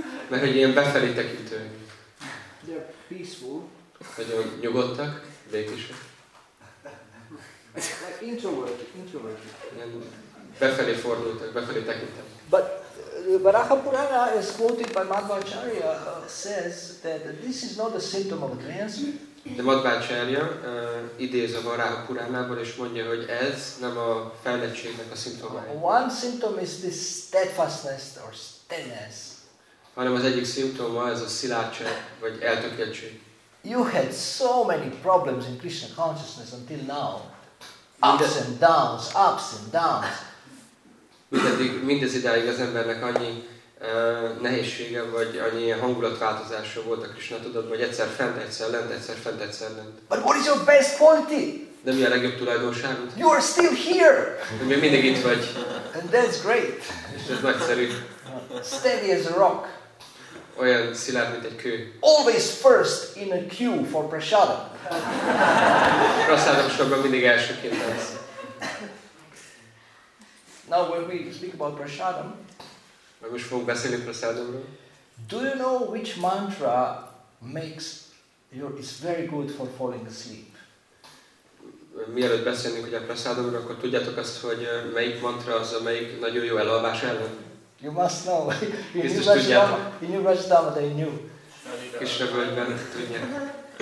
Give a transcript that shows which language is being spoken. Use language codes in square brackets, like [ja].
[hu] Mert hogy ilyen befelé tekintő. [en] They're peaceful. [hu] Nagyon nyugodtak, békések. [en] Like introverted. [hu] Befelé fordultak, befelé tekintek. [en] But Varaha Purana, as quoted by Madhvacharya, says that this is not a symptom of advancement. [hu] De Madhvacharya idéz a Varaha Puranából, és mondja, hogy ez nem a fejlettségnek a szimptomája. [en] One symptom is this steadfastness or steadiness. [hu] Hanem az egyik szimptoma ez a szilárdság, vagy eltökéltség. [en] You had so many problems in Krishna consciousness until now. Ups and downs, ups and downs. [hu] Mindez idáig az embernek annyi nehézsége, vagy annyi hangulatváltozása volt a Krishna tudatban, hogy egyszer fent, egyszer lent, egyszer fent, egyszer lent. [en] But what is your best quality? [hu] De mi a legjobb tulajdonságod? [en] You are still here! [hu] De mi mindig itt vagy. [en] And that's great. [hu] És ez nagyszerű. [en] Steady as a rock. [hu] Olyan szilárd, mint egy kő. [en] Always first in a queue for prasada. [hu] Prasada sokban mindig elsőként lesz. [en] Now when we speak about prasadam, [hu] meg most fogunk beszélni prasadamról. [en] Do you know which mantra makes your is very good for falling asleep? [hu] Mielőtt beszélnénk ugye a prasadamról, akkor tudjátok azt, hogy melyik mantra az, amelyik nagyon jó elalvás ellen? [en] You must know. In your Vajradhama, they knew. [hu] Krishna völgyben tudják.